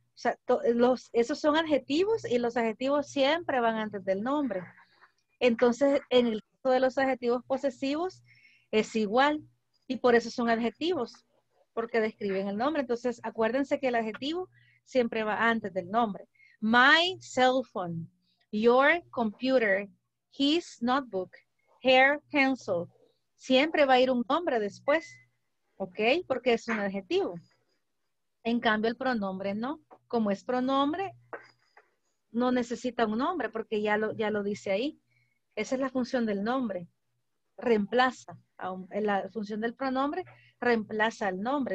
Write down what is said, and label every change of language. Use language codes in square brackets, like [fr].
[es] O sea, esos son adjetivos y los adjetivos siempre van antes del nombre. Entonces, en el caso de los adjetivos posesivos, es igual. Y por eso son adjetivos, porque describen el nombre. Entonces, acuérdense que el adjetivo siempre va antes del nombre. [en] My cell phone, your computer, his notebook, her pencil. [es] Siempre va a ir un nombre después, ¿ok? Porque es un adjetivo. En cambio, el pronombre no. Como es pronombre, no necesita un nombre, porque ya lo dice ahí. Esa es la función del nombre, reemplaza, la función del pronombre reemplaza al nombre.